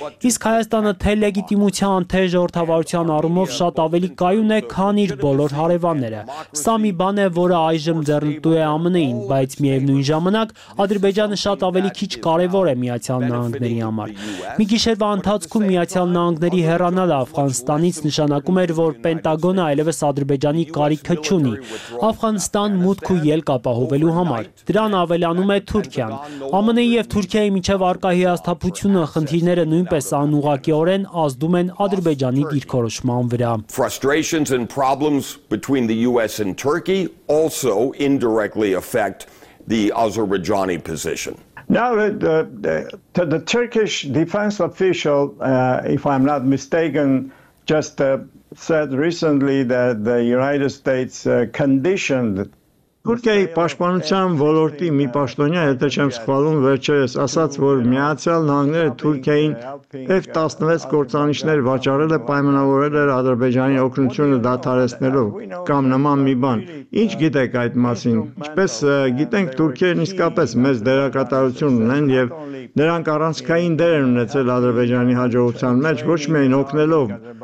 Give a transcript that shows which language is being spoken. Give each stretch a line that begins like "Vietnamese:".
Armenian: Իսկ Հայաստանը թե լեգիտիմության, թե ժողովրդավարության առումով շատ ավելի կայուն է, քան իր բոլոր հարևանները։ Սա մի բան է, որը այժմ ձեռնտու է ԱՄՆ-ին, բայց միևնույն ժամանակ Ադրբեջանը շատ ավելի քիչ կարևոր է Միացյալ Նահանգների համար։ Մի գիշերվա ընթացքում Միացյալ Նահանգների հեռանալը Աֆղանստանից նշանակում էր, որ Պենտագոնը այլևս Ադրբեջանի կարիքը չունի Աֆղանստան մուտք ու ելք ապահովելու համար։ Դրան ավելանում է Թուրքիան։ ԱՄՆ-ի եւ Թուրքիայի միջև առկա հիասթափությունը, խնդիրները նույնպես անուղղակիորեն ազդում են Ադրբեջանի դիրքորոշման վրա։
English: Frustrations and problems between the US and Turkey also indirectly affect the Azerbaijani position. Now the Turkish defense official, if I'm not mistaken, just said recently that the United States conditioned
Armenian: Թուրքիայի պաշտպանության ոլորտի մի պաշտոնյա, եթե չեմ սխալվում, վերջերս ասաց, որ Միացյալ Նահանգները Թուրքիային F-16 գործանիշներ վաճառել է, պայմանավորել է Ադրբեջանի օգնությունը դադարեցնելով կամ նման մի բան։ Ինչ գիտեք այդ մասին։ Ինչպես գիտենք, Թուրքիան իսկապես մեծ դերակատարություն ունեն եւ նրանք առանցքային դեր են ունեցել Ադրբեջանի հաջողության մեջ, ոչ միայն օգնելով,